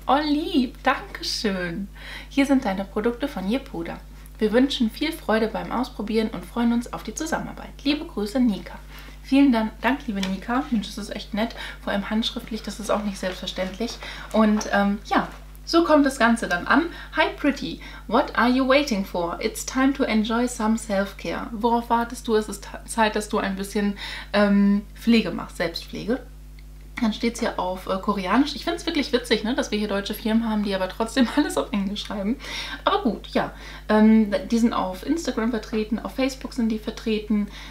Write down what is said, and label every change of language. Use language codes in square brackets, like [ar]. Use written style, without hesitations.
[de] Oh lieb, dankeschön. Hier sind deine Produkte von Jepoda. Wir wünschen viel Freude beim Ausprobieren und freuen uns auf die Zusammenarbeit. Liebe Grüße, Nika. Vielen Dank, liebe Nika. Mensch, das ist echt nett. Vor allem handschriftlich, das ist auch nicht selbstverständlich. Und ja, so kommt das Ganze dann an. [en] Hi Pretty, what are you waiting for? It's time to enjoy some self-care. [de] Worauf wartest du? Es ist Zeit, dass du ein bisschen Pflege machst, Selbstpflege. Dann steht es hier auf Koreanisch. Ich finde es wirklich witzig, ne, dass wir hier deutsche Firmen haben, die aber trotzdem alles auf Englisch schreiben. Aber gut, ja. Die sind auf Instagram vertreten, auf Facebook sind die vertreten.